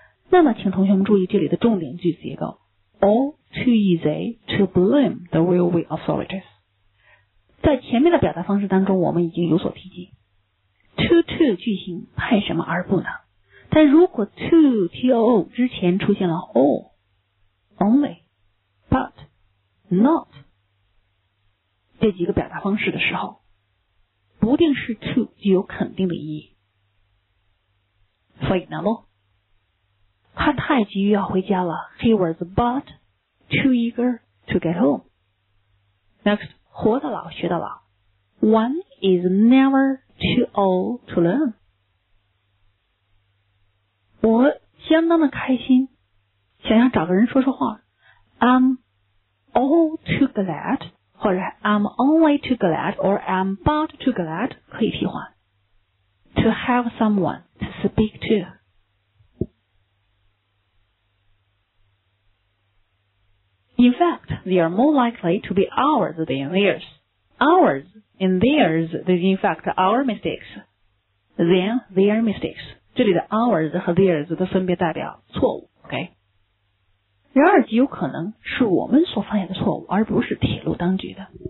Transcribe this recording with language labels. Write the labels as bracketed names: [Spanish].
[Chinese] 那么请同学们注意这里的重点句子结构。 [English] All too easy to blame the railway authorities. [Chinese] 在前面的表达方式当中我们已经有所提及。To 句型派什么而不呢？但如果 to 之前出现了 all, only, but, not 这几个表达方式的时候，不定式 to 具有肯定的意义。所以呢，他太急于要回家了。 [English] He was but too eager to get home. Next, [Chinese] 活到老学到老。 [English] One is never too old to learn. [Chinese] 我相当的开心，想要找个人说说话。 [English] I'm all too glad, 或者 I'm only too glad, or I'm but too glad [Chinese] 可以替换。 [English] To have someone to speak to. In fact, they are more likely to be ours than theirs. Ours and theirs is in fact our mistakes than their mistakes. [Chinese] 这里的 ours 和 theirs 都分别代表错误 ,OK? 然而极有可能是我们所犯下的错误而不是铁路当局的。